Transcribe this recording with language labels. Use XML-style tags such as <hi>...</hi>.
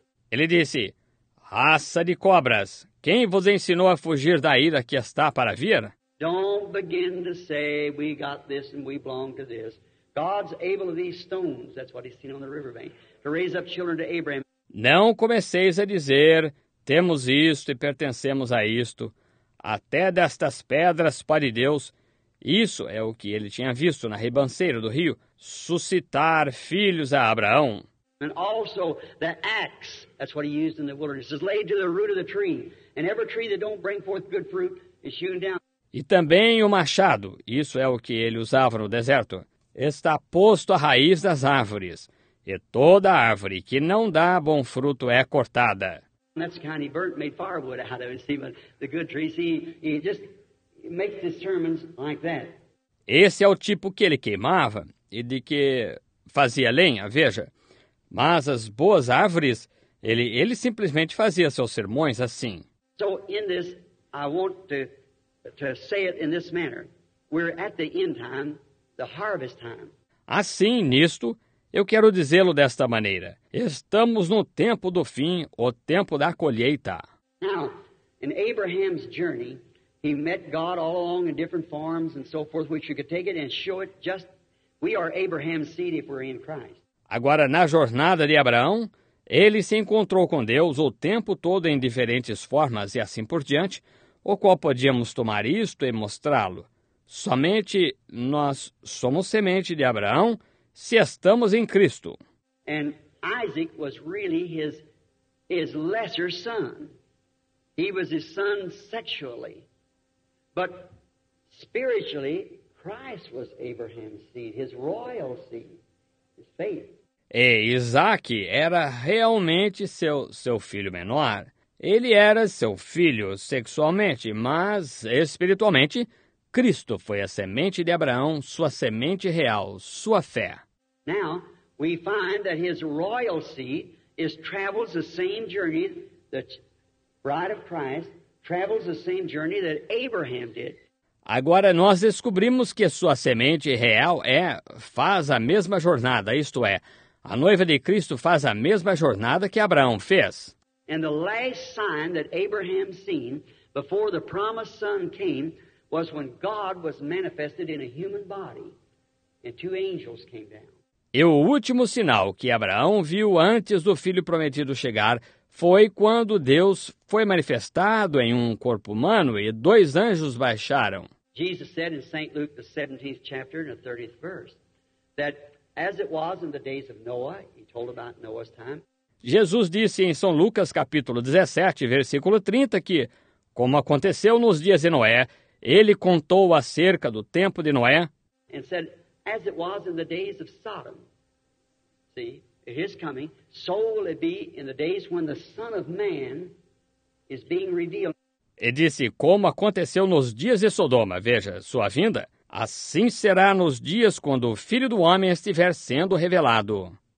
<pt>Ele disse, raça de cobras, quem vos ensinou a fugir da ira que está para vir?</pt> <en>Don't begin to say we got this and we belong to this. God's able of these stones, that's what he's seen on the riverbank, to raise up children to Abraham.</en> <pt>Não comeceis a dizer... Temos isto e pertencemos a isto. Até destas pedras pode Deus. Isso é o que ele tinha visto na ribanceira do rio. Suscitar filhos a Abraão.</pt> <en>And also the axe, that's what he used in the wilderness, is laid to the root of the tree. And every tree that don't bring forth good fruit is hewn down.</en> <pt>E também o machado, isso é o que ele usava no deserto, está posto à raiz das árvores, e toda árvore que não dá bom fruto é cortada.</pt> <en>That's kind of burnt, made firewood out of it, see, but the good tree, see, he just makes his sermons like that.</en> <pt>Esse é o tipo que ele queimava e de que fazia lenha, veja. Mas as boas árvores, ele simplesmente fazia seus sermões assim.</pt> <en>So in this, I want to say it in this manner. We're at the end time, the harvest time.</en> <pt>Assim, nisto, eu quero dizê-lo desta maneira. Estamos no tempo do fim, o tempo da colheita.</pt> <en>Now, in Abraham's journey, he met God all along in different forms and so forth, which you could take it and show it just, we are Abraham's seed if we're in Christ.</en> <pt>Agora, na jornada de Abraão, ele se encontrou com Deus o tempo todo em diferentes formas e assim por diante, o qual podíamos tomar isto e mostrá-lo. Somente nós somos semente de Abraão se estamos em Cristo.</pt> <en>And Isaac was really his lesser son. He was his son sexually. But spiritually, Christ was Abraham's seed, his royal seed, his faith.</en> <pt>E Isaac era realmente seu filho menor. Ele era seu filho sexualmente, mas espiritualmente, Cristo foi a semente de Abraão, sua semente real, sua fé.</pt> <en>Now, we find that his royal seed travels the same journey that bride of Christ travels the same journey that Abraham did.</en> <pt>Agora nós descobrimos que sua semente real faz a mesma jornada, isto é, a noiva de Cristo faz a mesma jornada que Abraão fez.</pt> <en>And the last sign that Abraham seen before the promised son came was when God was manifested in a human body and two angels came down.</en> <pt>E o último sinal que Abraão viu antes do filho prometido chegar foi quando Deus foi manifestado em um corpo humano e dois anjos baixaram.</pt> <en>Jesus said in St. Luke, the 17th chapter and the 30th verse, that as it was in the days of Noah, he told about Noah's time.</en> <pt>Jesus disse em São Lucas, capítulo 17, versículo 30, que, como aconteceu nos dias de Noé, ele contou acerca do tempo de Noé.</pt> <en>And said, as it was in the days of Sodom, see, his coming, so will it be in the days when the Son of Man is being revealed.</en> <pt>E disse, como aconteceu nos dias de Sodoma, veja, sua vinda. Assim será nos dias quando o Filho do Homem estiver sendo revelado.</pt>